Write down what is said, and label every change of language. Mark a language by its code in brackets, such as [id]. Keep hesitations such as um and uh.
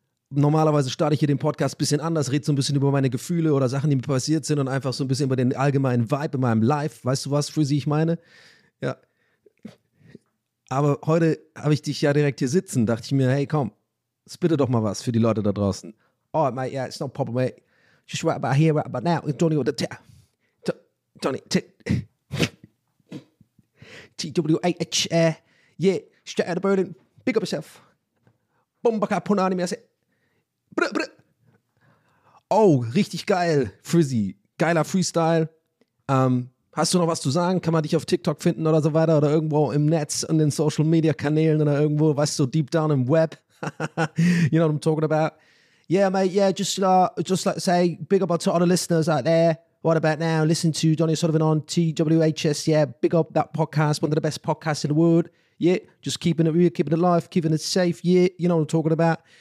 [de] Normalerweise starte ich hier den Podcast ein bisschen anders, rede so ein bisschen über meine Gefühle oder Sachen, die mir passiert sind und einfach so ein bisschen über den allgemeinen Vibe in meinem Life. Weißt du was, Frizzy, ich meine? Ja. Aber heute habe ich dich ja direkt hier sitzen, dachte ich mir, hey, komm, spitte doch mal was für die Leute da draußen. [en] Oh, mate, yeah, it's no problem, mate. Just right about here, right about now. Tony, with the ta- T- Tony, t- TWAH. Uh, yeah, straight out of Berlin. Big up yourself. Bombaka Punani, mir Brr, brr. [de] Oh, richtig geil, Frizzy. Geiler Freestyle. Ähm, hast du noch was zu sagen? Kann man dich auf TikTok finden oder so weiter oder irgendwo im Netz und den Social Media Kanälen oder irgendwo, weißt du, deep down im Web? [en] you know what I'm talking about? Yeah, mate. Yeah, just uh, just like say, big up to all the listeners out there. What about now? Listen to Donny Sullivan on TWHS. Yeah, big up that podcast, one of the best podcasts in the world. Yeah, just keeping it real, keeping it live, keeping it safe. Yeah, you know what I'm talking about.